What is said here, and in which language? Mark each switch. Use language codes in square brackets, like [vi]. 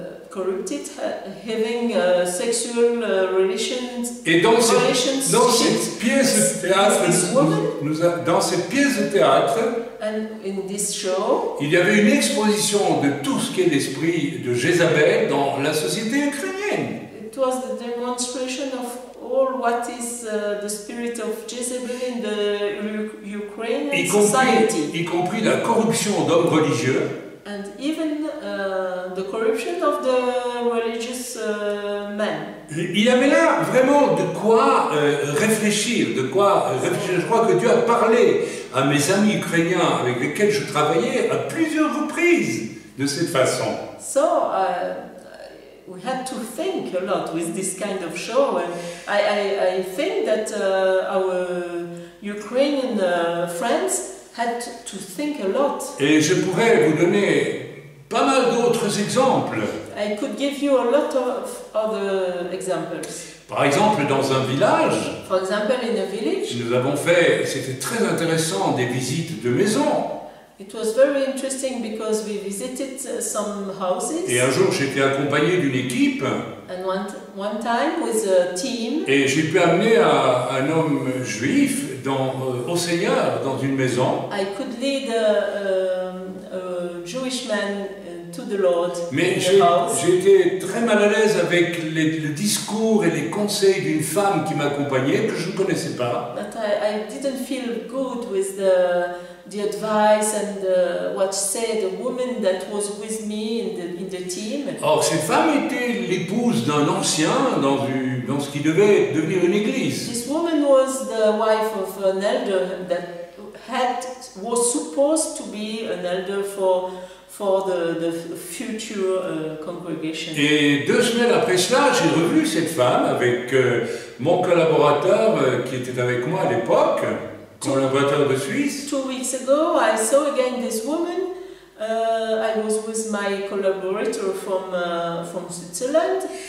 [en] Corrupted, having sexual relations. [fr] Et dans cette pièce de théâtre, dans cette pièce de théâtre, [en] and in this show, [fr] il y avait une exposition de tout ce qu'est l'esprit de Jézabel dans la société ukrainienne. [en] It was the demonstration of all what is the spirit of Jezebel in the Ukrainian society. [fr] Y compris la corruption d'hommes religieux. [en] And even the corruption of the religious men. [fr] Il y avait là vraiment de quoi réfléchir, de quoi réfléchir. Je crois que Dieu a parlé à mes amis ukrainiens avec lesquels je travaillais à plusieurs reprises. de cette façon. [en] So we had to think a lot with this kind of show, and I think that our Ukrainian friends had to think a lot. [fr] Et je pourrais vous donner pas mal d'autres exemples. [en] I could give you a lot of other examples. [fr] Par exemple, dans un village. [en] For example, in a village. [fr] Nous avons fait, c'était très intéressant, des visites de maisons. [en] It was very interesting because we visited some houses. [fr] Et un jour, j'étais accompagné d'une équipe. [en] And one time with a team. [fr] Et j'ai pu amener un homme juif au Seigneur dans une maison. [en] I could lead a Jewish man to the Lord. [fr] Mais j'étais très mal à l'aise avec le discours et les conseils d'une femme qui m'accompagnait que je ne connaissais pas. [en] But I didn't feel good with the advice and what said the woman that was with me in the team. [fr] Or, cette femme était l'épouse d'un ancien dans ce qui devait devenir une église. [en] This woman was the wife of an elder that was supposed to be an elder for the future congregation. [fr] Et deux semaines après cela, j'ai revu cette femme avec mon collaborateur qui était avec moi à l'époque. Collaborateur de Suisse. [en] 2 weeks ago, I saw again this woman. I was with my collaborator from Switzerland.